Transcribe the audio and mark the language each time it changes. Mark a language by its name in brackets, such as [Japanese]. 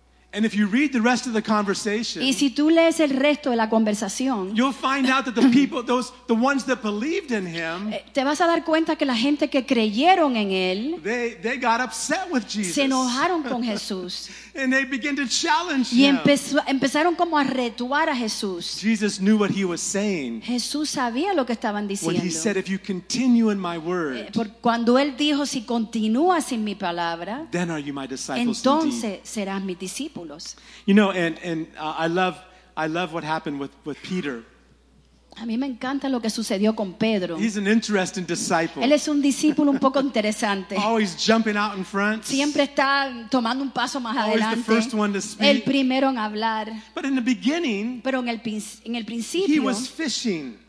[English] And if you read the rest of the conversation, [Spanish] y si tú lees el resto de la conversación, [English] you'll find out that the people, those the ones that believed in him, [Spanish] te vas a dar cuenta que la gente que creyeron en él, [English] they got upset with Jesus. [Spanish] Se enojaron con Jesús. [English] And they begin to challenge [Spanish] y empezaron como a retuar a Jesús. [English] Jesus knew what he was saying. [Spanish] Jesús sabía lo que estaban diciendo. [English] When he said, "If you continue in my word," [Spanish] cuando él dijo, "Si continúas en mi palabra," [English] then are you my disciples? [Spanish] Entonces [English] indeed. [Spanish] Serás mis discípulos. [English] You know, and I love what happened with Peter. [Spanish] A mí me encanta lo que sucedió con Pedro. [English] He's an interesting disciple. [Spanish] Él es un discípulo un poco interesante. [English] Always jumping out in front. [Spanish] Siempre está tomando un paso más [English] Always [Spanish] adelante. [English] The first one to speak. [Spanish] El primero en hablar. [English] But in the beginning, [Spanish] pero en el principio, [English] he was fishing.